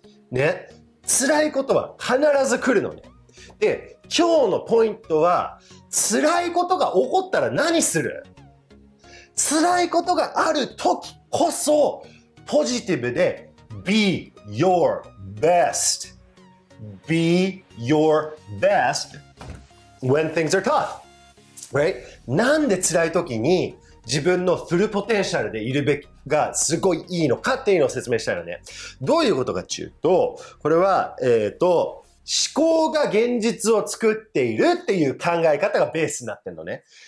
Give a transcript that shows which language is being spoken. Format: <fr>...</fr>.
<ja>ね、辛いことは必ず来るのね。で、今日のポイントは辛いことが起こったら何する。辛いことがある時こそポジティブで</ja> <en>Be your best. Be your best when things are tough. Right?</en> <ja>なんで辛い時に自分のフルポテンシャルでいるべきがすごいいいのかっていうのを説明したらね。どういうことかっていうと、これは、思考が現実を作っているっていう考え方がベースになってるのね。</ja>